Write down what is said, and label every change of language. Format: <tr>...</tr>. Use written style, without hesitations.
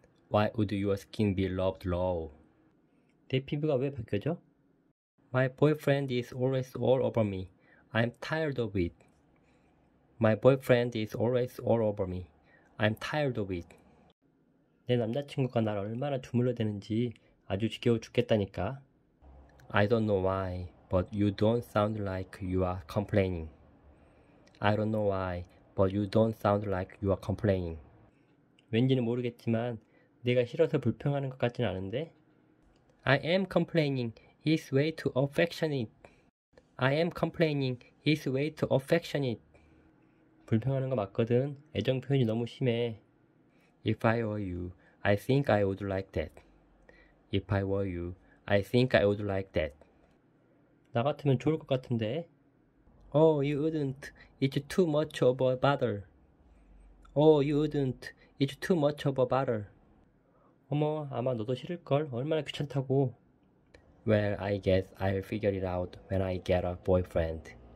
<en>Why would your skin be rubbed raw?</en> <ko>내 피부가 왜 벗겨져?</ko> <en>My boyfriend is always all over me. I'm tired of it. My boyfriend is always all over me. I'm tired of it.</en> <ko>내 남자친구가 날 얼마나 주물러대는지 아주 지겨워 죽겠다니까.</ko> <en>I don't know why, but you don't sound like you are complaining. I don't know why, but you don't sound like you are complaining.</en> <ko>왠지는 모르겠지만 내가 싫어서 불평하는 것 같진 않은데.</ko> <en>I am complaining. He's way too affectionate. I am complaining. He's way too affectionate.</en> <ko>불평하는 거 맞거든. 애정 표현이 너무 심해.</ko> <en>If I were you, I think I would like that. If I were you, I think I would like that.</en> <ko>나 같으면 좋을 것 같은데.</ko> <en>Oh, you wouldn't. It's too much of a bother. Oh, you wouldn't. It's too much of a bother.</en> <ko>어머, 아마 너도 싫을걸. 얼마나 귀찮다고.</ko> <en>Well, I guess I'll figure it out when I get a boyfriend.</en>